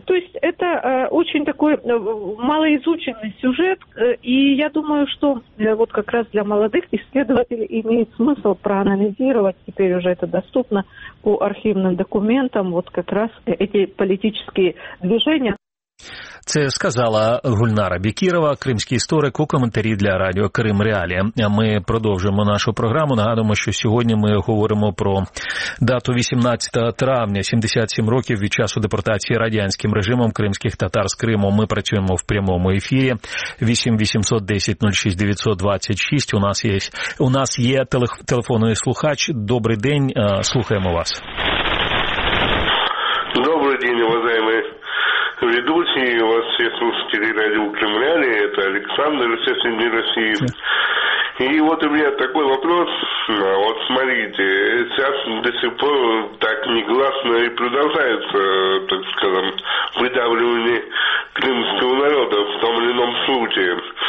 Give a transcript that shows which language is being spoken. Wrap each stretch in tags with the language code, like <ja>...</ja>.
<ru>То есть это очень такой малоизученный сюжет. И я думаю, что вот как раз для молодых исследователей имеет смысл проанализировать, теперь уже это доступно по архивным документам, вот как раз эти политические движения.</ru> <uk>Це сказала Гульнара Бікірова, кримський історик, у коментарі для радіо «Крим Реалія». Ми продовжуємо нашу програму. Нагадуємо, що сьогодні ми говоримо про дату 18 травня, 77 років від часу депортації радянським режимом кримських татар з Криму. Ми працюємо в прямому ефірі. 8-810-06-926. У нас є телефонний слухач. Добрий день, слухаємо вас. Добрий день,</uk> <ru>уважаемые ведущий, у вас все слушатели радио «Укрепляли», это Александр, естественно, не России. И вот у меня такой вопрос, вот смотрите, сейчас до сих пор так негласно и продолжается, так скажем, выдавливание крымского народа в том или ином случае.</ru>